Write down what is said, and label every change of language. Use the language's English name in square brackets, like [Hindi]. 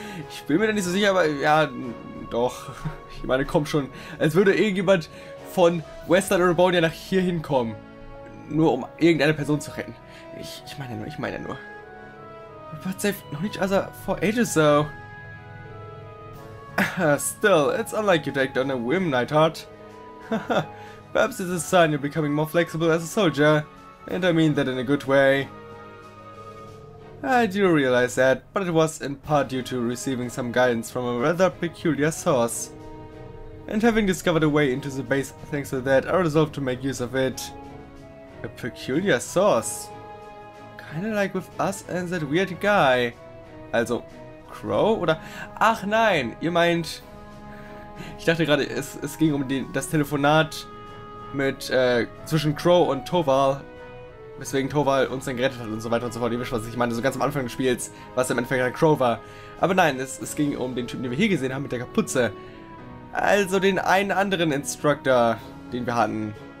[German] Ich bin mir da nicht so sicher, aber ja, doch. Ich meine, komm schon. Als würde irgendjemand von Western Erebonia nach hier hinkommen. Nur um irgendeine Person zu retten. Ich meine nur. [English] But they've known each other for ages, though. Still, it's unlike you to act on a whim, Nightheart. Perhaps it's a sign you're becoming more flexible as a soldier. And I mean that in a good way. I do realize that, but it was in part due to receiving some guidance from a rather peculiar source. And having discovered a way into the base thanks to that, I resolved to make use of it. A peculiar source? Kinda like with us and that weird guy. [German] Also, Crow? Oder? Ach nein, ihr meint... Ich dachte gerade, es ging um das Telefonat mit zwischen Crow und Toval. Weswegen Toval uns dann gerettet hat und so weiter und so fort. Ihr wisst, was ich meine, so ganz am Anfang des Spiels, was im Endeffekt ein Crow war. Aber nein, es ging um den Typen, den wir hier gesehen haben mit der Kapuze. Also den einen anderen Instructor, den wir hatten.